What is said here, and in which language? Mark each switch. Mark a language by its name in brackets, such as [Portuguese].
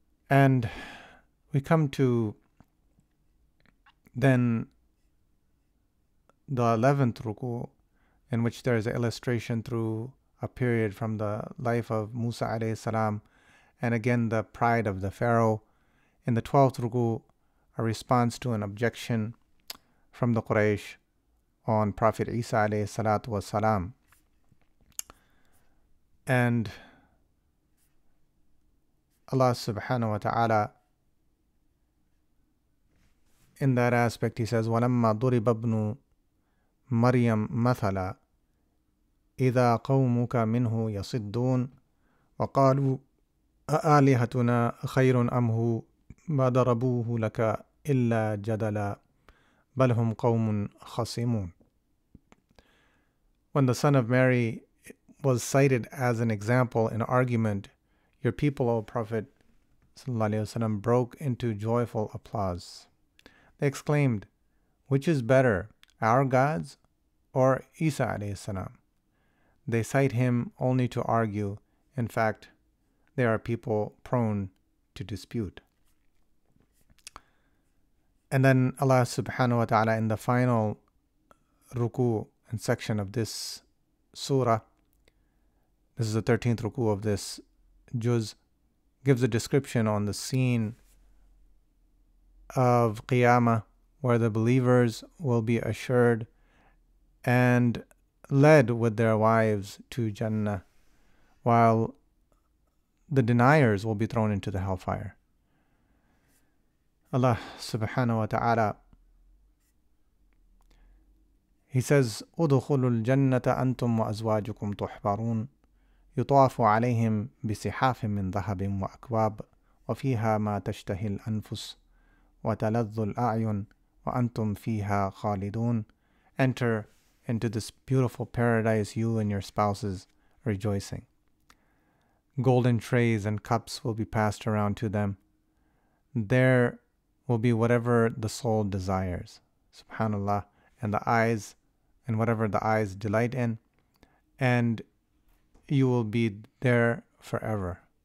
[English] And we come to then the 11th ruku, in which there is an illustration through a period from the life of Musa alayhi salam, and again the pride of the Pharaoh. In the 12th ruku, a response to an objection from the Quraysh on Prophet Isa alayhi salatu wa salam. And Allah subhanahu wa ta'ala, in that aspect, he says, [Arabic] وَلَمَّا ضُرِبَ ابْنُ مَرْيَمْ مَثَلًا إِذَا قَوْمُكَ مِنْهُ يَصِدُّونَ وَقَالُوا أَآلِهَتُنَا خَيْرٌ أَمْ هُوَ مَا ضَرَبُوهُ لَكَ إِلَّا جَدَلًا بَلْ هُمْ قَوْمٌ خَصِمُونَ. [English] When the son of Mary was cited as an example in argument, your people, O Prophet sallallahu alaihi wasallam, broke into joyful applause. They exclaimed, which is better, our gods or Isa alayhi salam? They cite him only to argue. In fact, they are people prone to dispute. And then Allah subhanahu wa ta'ala in the final ruku and section of this surah, this is the 13th ruku of this juz, gives a description on the scene of Qiyamah, where the believers will be assured and led with their wives to Jannah, while the deniers will be thrown into the hellfire. Allah subhanahu wa ta'ala, he says, [Arabic] أُدْخُلُوا الْجَنَّةَ أَنْتُمْ وَأَزْوَاجُكُمْ تُحْبَرُونَ يُطَافُ عَلَيْهِمْ بِسِحَافٍ مِّنْ ذَهَبٍ وَأَكْوَابٍ وَفِيهَا مَا تَشْتَهِي الْأَنفُسُ وَتَلَذُّ الْأَعْيُنُ وَأَنْتُمْ فِيهَا خَالِدُونَ. [English] Enter into this beautiful paradise, you and your spouses, rejoicing. Golden trays and cups will be passed around to them. There will be whatever the soul desires. Subhanallah. And the eyes, and whatever the eyes delight in. And you will be there forever.